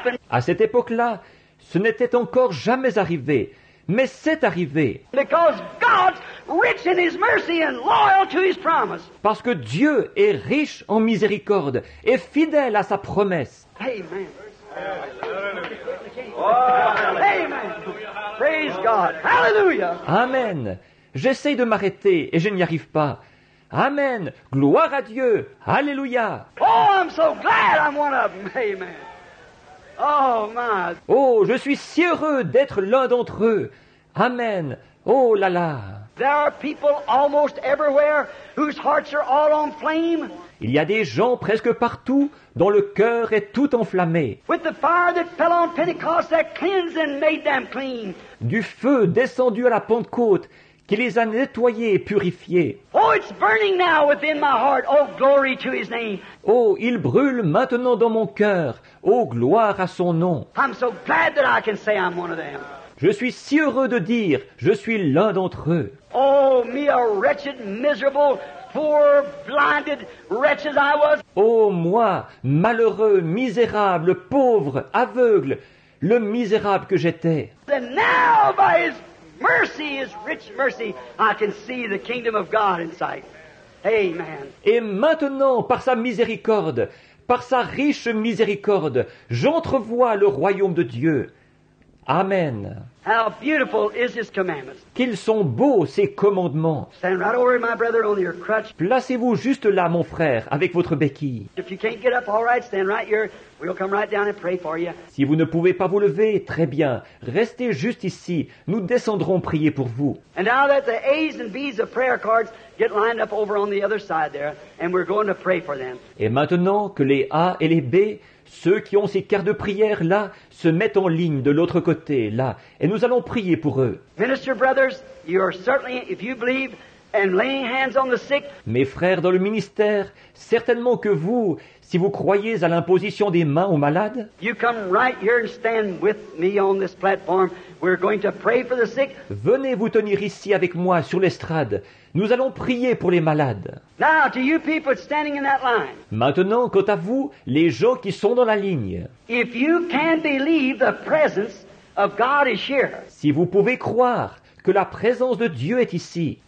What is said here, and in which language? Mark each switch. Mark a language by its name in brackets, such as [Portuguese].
[French] À cette époque-là, ce n'était encore jamais arrivé. Mais c'est arrivé. [English] Because God's rich in his mercy and loyal to his promise. [French] Parce que Dieu est riche en miséricorde et fidèle à sa promesse. Amen. [English] Amen. Praise God. Hallelujah. [French] Amen. J'essaie de m'arrêter et je n'y arrive pas. Amen. Gloire à Dieu. Alléluia. [English] Oh, I'm so glad I'm one of them. Amen. Oh, my. [French] Oh, je suis si heureux d'être l'un d'entre eux. Amen. Oh là là. [English] There are people almost everywhere whose hearts are all on flame. [French] Il y a des gens presque partout dont le cœur est tout enflammé. [English] With the fire that fell on Pentecost that cleansed and made them clean. [French] Du feu descendu à la Pentecôte qui les a nettoyés et purifiés. [English] Oh, it's burning now within my heart. Oh, glory to his name. [French] Oh, il brûle maintenant dans mon cœur. Oh, gloire à son nom. [English] I'm so glad that I can say I'm one of them. [French] Je suis si heureux de dire, je suis l'un d'entre eux. [English] Oh, me a wretched, miserable, poor, blinded wretch as I was. [French] Oh, moi, malheureux, misérable, pauvre, aveugle, le misérable que j'étais. [English] Then now by his mercy, his rich mercy, I can see the kingdom of God in sight. Amen. [French] Et maintenant, par sa miséricorde, par sa riche miséricorde, j'entrevois le royaume de Dieu. Amen. [English] How beautiful is his commandments. [French] Qu'ils sont beaux, ses commandements. [English] Stand right over my brother on your crutch. [French] Placez-vous juste là, mon frère, avec votre béquille. [English] If you can't get up, all right, stand right here. We'll come right down and pray for you. [French] Si vous ne pouvez pas vous lever, très bien. Restez juste ici. Nous descendrons prier pour vous. [English] And now that the A's and B's of prayer cards get lined up over on the other side there, and we're going to pray for them. [French] Et maintenant que les A et les B, ceux qui ont ces cartes de prière là, se mettent en ligne de l'autre côté là, et nous allons prier pour eux. [English] Minister brothers, you are certainly, if you believe, and laying hands on the sick. [French] Mes frères dans le ministère, certainement que vous, si vous croyez à l'imposition des mains aux malades, [English] you come right here and stand with me on this platform. We're going to pray for the sick. [French] Venez vous tenir ici avec moi sur l'estrade. Nous allons prier pour les malades. [English] Now, to you people standing in that line. [French] Maintenant, quant à vous, les gens qui sont dans la ligne. [English] If you can believe the presence of God is here. [French] Si vous pouvez croire que la présence de Dieu est ici.